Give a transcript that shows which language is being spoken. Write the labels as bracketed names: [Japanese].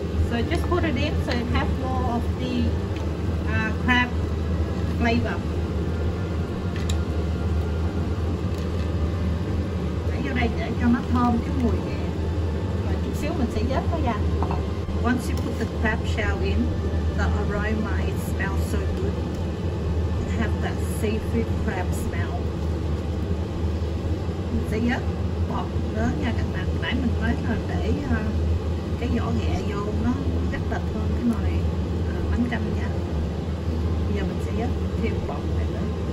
[English] So just put it in so you have more of the crab flavor. [Vietnamese] Để vô đây để cho nó thơm cái mùi ghẹ. Và chút xíu mình sẽ dắt nó ra. [English] Once you put the crab shell in, the aroma, it smells so good. It has that seafood crab smell. [Vietnamese] Mình sẽ dớt bọt nữa nha các bạn. Nãy mình nói là để cái vỏ ghẹ vô nó rất là thơm cái nồi bánh canh nha. Bây giờ mình sẽ dớt thêm bọt này nữa.